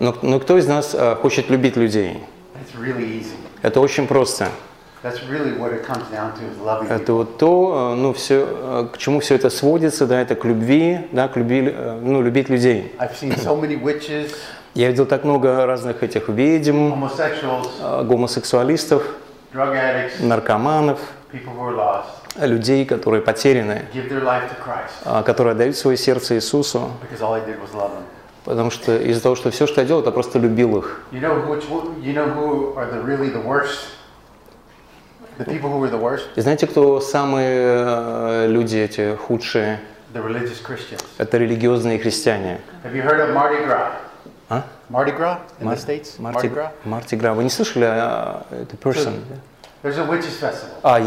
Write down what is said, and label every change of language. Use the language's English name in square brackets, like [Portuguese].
[Russian] Но кто из нас хочет любить людей? [English] It's really easy. [Russian] Это очень просто. [English] That's really what it comes down to, is loving people. [Russian] Это вот то, ну все, к чему все это сводится, да, это к любви, да, к любви, ну любить людей. [English] I've seen so many witches. [Russian] Я видел так много разных этих ведьм, гомосексуалистов, [English] drug addicts, [Russian] наркоманов, [English] people who are lost. [Russian] Людей, которые потеряны, [English] give their life to Christ. [Russian] Которые отдают свое сердце Иисусу, [English] because all I did was love them. [Russian] Потому что из-за того, что все, что я делал, это просто любил их. [English] You know which, you know who are the really the worst? The people who were the worst? [Russian] И знаете, кто самые люди эти худшие? [English] The religious Christians. [Russian] Это религиозные христиане. [English] Have you heard of Mardi Gras? [Russian] А? [English] Mardi Gras in the States? Mardi Gras. [Russian] Вы не слышали [English] the person? There's a witches festival.